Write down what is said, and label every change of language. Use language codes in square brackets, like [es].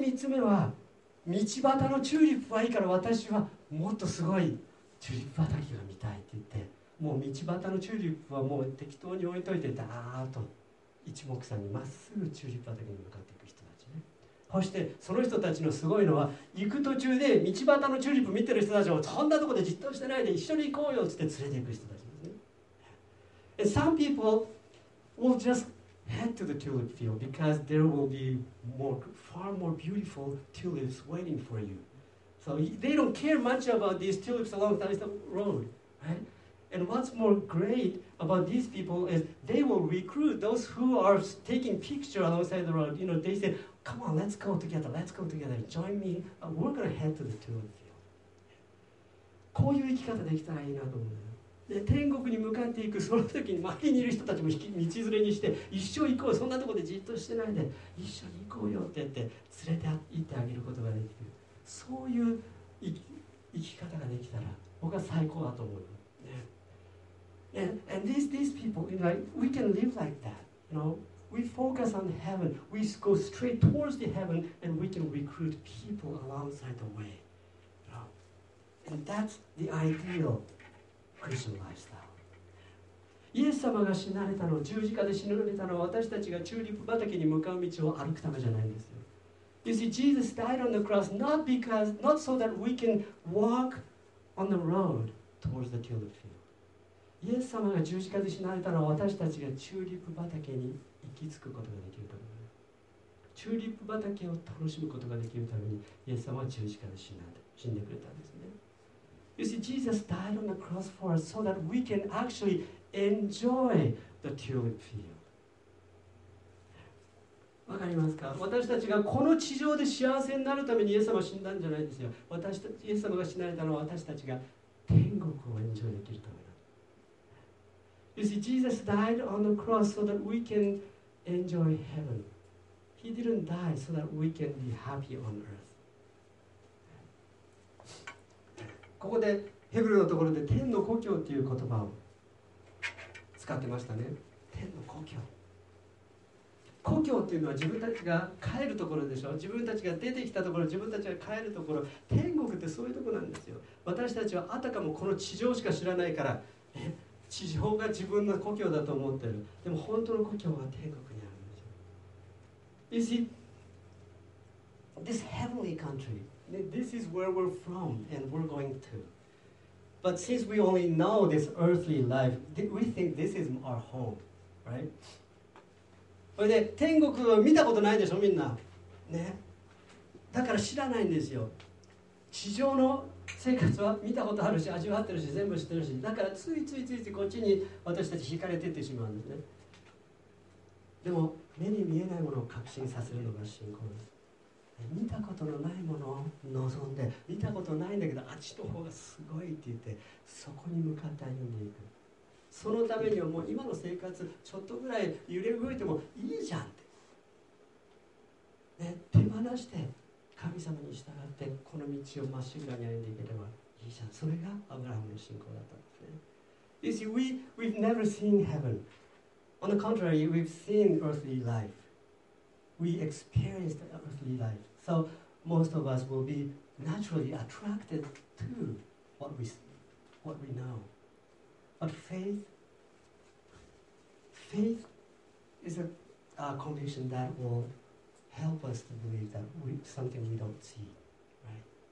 [ja] で、3つ目は、道端のチューリップはいいから、私はもっとすごいチューリップ畑が見たいって言って、もう道端のチューリップはもう適当に置いといて、だーっと一目散にまっすぐチューリップ畑に向かっていく人たちね。そしてその人たちのすごいのは、行く途中で道端のチューリップ見てる人たちをそんなところでじっとしてないで一緒に行こうよって連れていく人たちですね。 [en] Some people will just head to the tulip field because there will be far more beautiful tulips waiting for you. So they don't care much about these tulips along the road, right? And what's more great about these people is they will recruit those who are taking pictures alongside the road. You know, they say, come on, let's go together, let's go together, join me, we're going to head to the tulip field. [ja] こういう生き方できたらいいなと思うんだよ。で、天国に向かっていくその時に周りにいる人たちも道連れにして、一緒行こう、そんなところでじっとしてないで、一緒に行こうよって言って連れて行ってあげることができる。そういう生き方ができたら、僕は最高だと思う。 [en] And these people, you know, like, we can live like that. You know, we focus on heaven. We go straight towards the heaven, and we can recruit people alongside the way. You know, and that's the ideal Christian lifestyle. [ja] イエス様が死なれたの、十字架で死なれたのは、私たちがチューリップ畑に向かう道を歩くためじゃないんですよ。 [en] You see, Jesus died on the cross not so that we can walk on the road towards the tulip field. [ja] イエス様が十字架で死なれたら私たちがチューリップ畑に行き着くことができるためにチューリップ畑を楽しむことができるためにイエス様は十字架で死んでくれたんですね。 [en] You see, Jesus died on the cross for us so that we can actually enjoy the tulip field. [ja] わかりますか？私たちがこの地上で幸せになるためにイエス様は死んだんじゃないですよ。私たちイエス様が死なれたのは私たちが天国をエンジョイできるためだ。 [en] You see, Jesus died on the cross so that we can enjoy heaven. He didn't die so that we can be happy on earth. [ja] ここでヘブルのところで天の故郷という言葉を使ってましたね。天の故郷、故郷というのは自分たちが帰るところでしょ。自分たちが出てきたところ、自分たちが帰るところ、天国ってそういうところなんですよ。私たちはあたかもこの地上しか知らないから、地上が自分の故郷だと思ってる。でも本当の故郷は天国にあるんですよ。 [en] You see this heavenly countryThis is where we're from and we're going to. But since we only know this earthly life, we think this is our home, right? [ja] それで天国を見たことないでしょ、みんな。ね。だから知らないんですよ。地上の生活は見たことあるし、味わってるし、全部知ってるし、だからついついついついこっちに私たち惹かれていってしまうんですね。でも目に見えないものを確信させるのが信仰です。見たことのないものを望んで、見たことないんだけどあっちの方がすごいって言ってそこに向かって歩んでいく。そのためにはもう今の生活ちょっとぐらい揺れ動いてもいいじゃんって、ね、手放して神様に従ってこの道をまっしぐらに歩んでいければいいじゃん。それがアブラハムの信仰だったんですね。 [en] You see, we've never seen heaven. On the contrary, we've seen earthly lifeWe experienced earthly life. So most of us will be naturally attracted to what we know. But faith is a condition that will help us to believe that something we don't see, right?